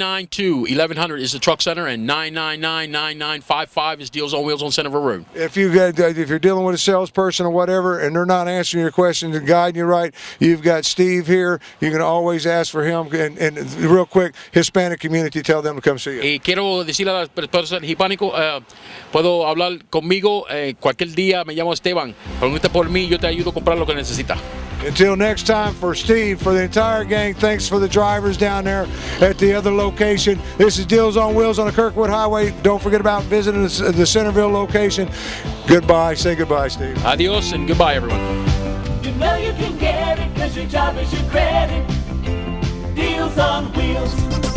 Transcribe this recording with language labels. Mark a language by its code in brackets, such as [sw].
[en] 992-1100 is the truck center, and 999-9955 is Deals on Wheels on Center Road. If you got, if you're dealing with a salesperson or whatever, and they're not answering your questions and guiding you right, you've got Steve here. You can always ask for him. And real quick, Hispanic community, tell them to come see you. [es] Y quiero decirle a las personas hispánicas, puedo hablar conmigo cualquier día. Me llamo Esteban. Pregunta por mí, yo te ayudo a comprar lo que necesita. [en] Until next time, for Steve, for the entire gang, thanks for the drivers down there at the other location. This is Deals on Wheels on the Kirkwood Highway. Don't forget about visiting the Centerville location. Goodbye. Say goodbye, Steve. Adios and goodbye, everyone. You know you can get it because your job is your credit. Deals on Wheels.